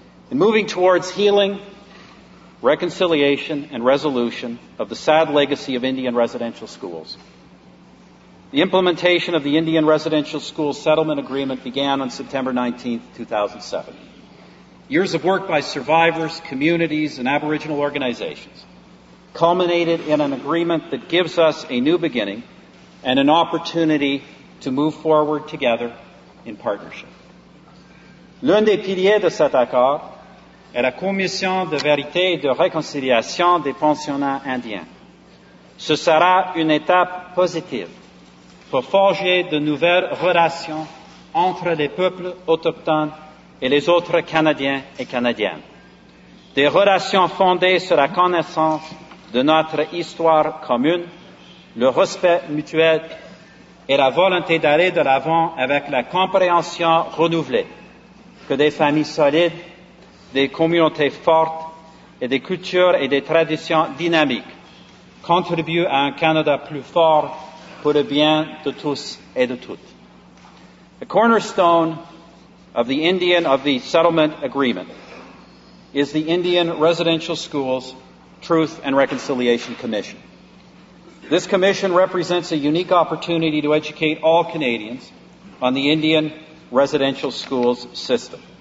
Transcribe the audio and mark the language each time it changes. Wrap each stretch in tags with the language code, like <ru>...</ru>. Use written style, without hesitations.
<en>In moving towards healing, reconciliation, and resolution of the sad legacy of Indian residential schools, the implementation of the Indian Residential School Settlement Agreement began on September 19, 2007. Years of work by survivors, communities, and Aboriginal organizations culminated in an agreement that gives us a new beginning and an opportunity to move forward together in partnership.</en> <fr>L'un des piliers de cet accord est la Commission de vérité et de réconciliation des pensionnats indiens. Ce sera une étape positive pour forger de nouvelles relations entre les peuples autochtones et les autres Canadiens et Canadiennes. Des relations fondées sur la connaissance de notre histoire commune, le respect mutuel et la volonté d'aller de l'avant avec la compréhension renouvelée que des familles solides, des communautés fortes et des cultures et des traditions dynamiques contribuent à un Canada plus fort pour le bien de tous et de toutes.</fr> <en>The cornerstone of the Indian of the Settlement Agreement is the Indian Residential Schools Truth and Reconciliation Commission. This commission represents a unique opportunity to educate all Canadians on the Indian residential schools system.</en>